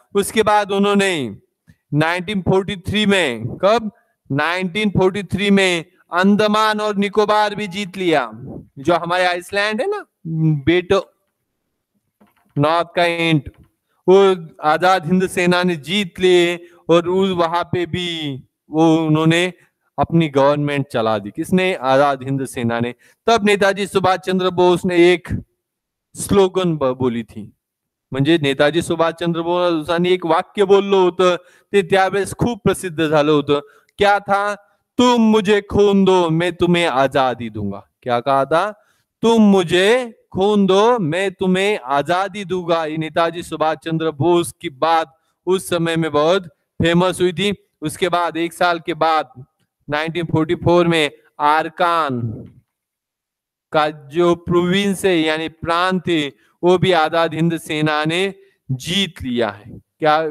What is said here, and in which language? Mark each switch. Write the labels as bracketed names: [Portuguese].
[Hindi] उसके बाद उन्होंने 1943 में अंडमान और निकोबार भी जीत लिया, जो हमारे आइसलैंड है ना बेटो, नॉर्थ का एंट, वो आजाद हिंद सेना ने जीत लिए और उस वहां पे भी वो उन्होंने अपनी गवर्नमेंट चला दी। किसने? आजाद हिंद सेना ने। तब नेताजी सुभाष चंद्र बोस ने एक स्लोगन बोली थी, [Marathi] म्हणजे नेताजी सुभाष चंद्र बोसांनी एक वाक्य बोललो होतं, ते त्यावेळेस खूप प्रसिद्ध झालं होतं। [Hindi] क्या था? तुम मुझे खून दो मैं तुम्हें आजादी दूंगा। क्या कहा था? तुम मुझे खून दो मैं तुम्हें आजादी दूंगा। ये नेताजी सुभाष चंद्र बोस की बात उस समय में बहुत फेमस हुई थी। उसके बाद एक साल के बाद 1944 में आरकान का जो प्रोविंस है यानी प्रांत है वो भी आजाद हिंद सेना ने जीत लिया है। क्या?